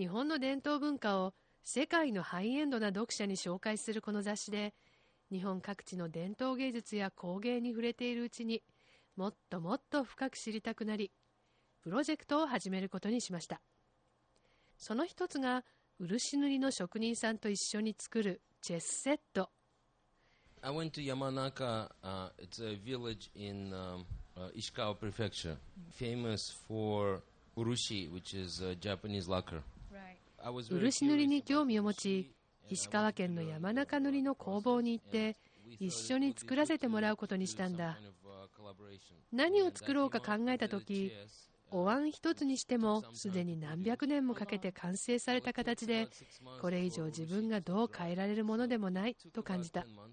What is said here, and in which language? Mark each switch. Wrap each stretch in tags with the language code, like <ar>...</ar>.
<ja>日本の伝統文化を世界のハイエンドな読者に紹介するこの雑誌で日本各地の伝統芸術や工芸に触れているうちにもっともっと深く知りたくなりプロジェクトを始めることにしました。その一つが漆塗りの職人さんと一緒に作るチェスセット。</ja> <en>I went to Yamanaka, it's a village in Ishikawa Prefecture, famous for urushi, which is a Japanese lacquer. Right.</en> <ja>漆塗りに興味を持ち、石川県の山中塗りの工房に行って、一緒に作らせてもらうことにしたんだ。何を作ろうか考えたとき、お椀一つにしてもすでに何百年もかけて完成された形で、これ以上自分がどう変えられるものでもないと感じた。</ja>